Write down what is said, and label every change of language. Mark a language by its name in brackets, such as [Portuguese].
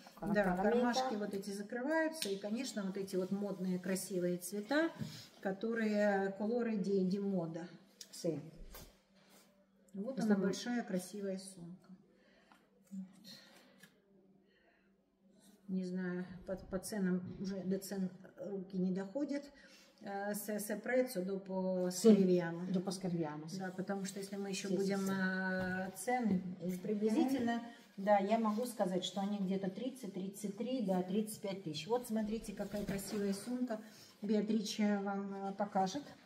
[Russian] Да, кармашки вот эти закрываются. И, конечно, вот эти вот модные красивые цвета, которые колоры ди мода. Вот она, большая красивая сумка. Не знаю, по ценам, уже до цен руки не доходят. [Italian] Se prezzo dopo scriviamo. Dopo scriviamo. [Russian] Да, потому что если мы еще будем цены приблизительно, да, я могу сказать, что они где-то 30-33, да, 35 тысяч. Вот смотрите, какая красивая сумка. Беатрича вам покажет.